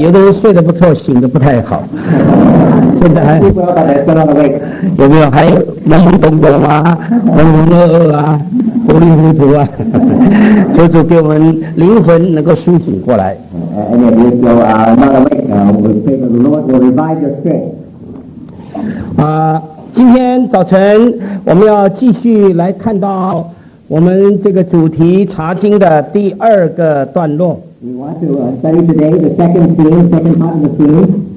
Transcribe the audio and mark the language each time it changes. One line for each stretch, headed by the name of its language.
Chinese: 有的人睡得不错，醒得不太好。现在还不要把台升到位，有没有？还有懵懵懂懂啊，懵懵懂懂啊，糊里糊涂啊，求主给我们灵魂能够苏醒过来。
English: And if you're still not awake, the Lord will revive your spirit.
Chinese: 今天早晨我们要继续来看到我们这个主题查经的第二个段落。
English: We want to study today the second theme, second part of the theme.